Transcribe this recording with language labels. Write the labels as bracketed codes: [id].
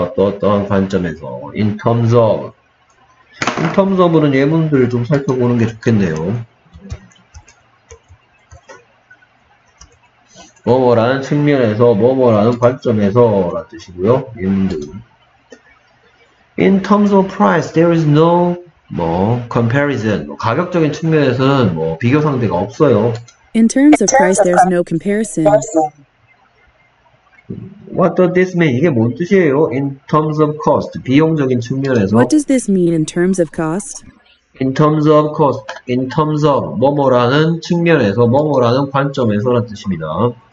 [ko] 어떠어떠한 관점에서 [en] in terms of. In terms of [ko] 는 예문들을 좀 살펴보는 게 좋겠네요. 뭐뭐라는 측면에서, 뭐뭐라는 관점에서라는 뜻이고요. 예문들. [en] In terms of price, there is no 뭐 comparison. [ko] 뭐 가격적인 측면에서는 뭐 비교 상대가 없어요. [en] In terms of price, there's no comparison. What does this mean? [ko] 이게 뭔 뜻이에요? [en] In terms of cost, [ko] 비용적인 [en] What [ko] 측면에서. [en] does this mean in terms of cost? In terms of cost, in terms of [ko] 뭐뭐라는 측면에서, 뭐뭐라는 관점에서라는 뜻입니다.